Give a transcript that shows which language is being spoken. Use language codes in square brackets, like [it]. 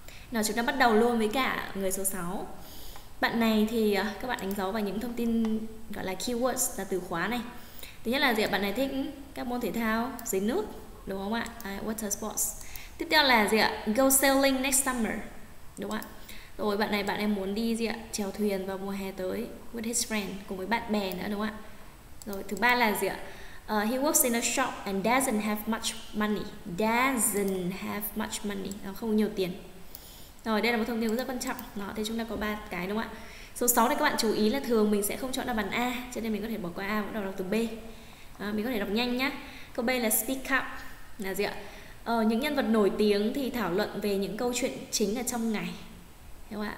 [vi] Nào, chúng ta bắt đầu luôn với cả người số 6. Bạn này thì các bạn đánh dấu vào những thông tin gọi là keywords, là từ khóa này. Thứ nhất là gì? Bạn này thích các môn thể thao dưới nước, đúng không ạ? [en] Water sports. [vi] Tiếp theo là gì ạ? [en] Go sailing next summer, [vi] đúng không ạ? Rồi bạn này muốn đi gì ạ? Chèo thuyền vào mùa hè tới [en] with his friend, [vi] cùng với bạn bè nữa, đúng không ạ? Rồi thứ ba là gì ạ? [en] He works in a shop and doesn't have much money. [vi] Không có nhiều tiền. Rồi đây là một thông tin rất quan trọng. Đó, thế chúng ta có 3 cái, đúng không ạ? Số 6 này các bạn chú ý là thường mình sẽ không chọn đáp án A, cho nên mình có thể bỏ qua A và bắt đầu đọc từ B. Đó, mình có thể đọc nhanh nhá. Câu B là [en] speak up, [vi] là gì ạ? Những nhân vật nổi tiếng thì thảo luận về những câu chuyện chính ở trong ngày. Đúng không ạ?